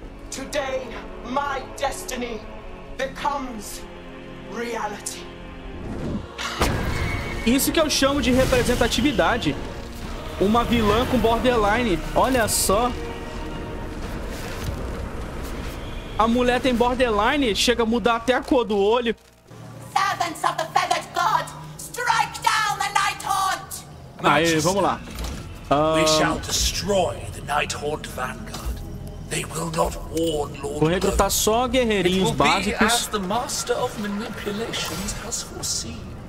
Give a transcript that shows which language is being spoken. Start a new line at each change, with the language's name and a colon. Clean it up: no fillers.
English: Today, my destiny becomes reality.
Portuguese: Isso que eu chamo de representatividade. Uma vilã com borderline. Olha só. A mulher tem borderline. Chega a mudar até a cor do olho.
English: Servants of the feathered god, strike down the night haunt.
Portuguese: Aí, vamos lá.
English: We shall destroy the night haunt vanguard. They will not warn Lord.
Portuguese: Vou recrutar só guerreirinhos básicos.
English: The master of manipulations has foreseen.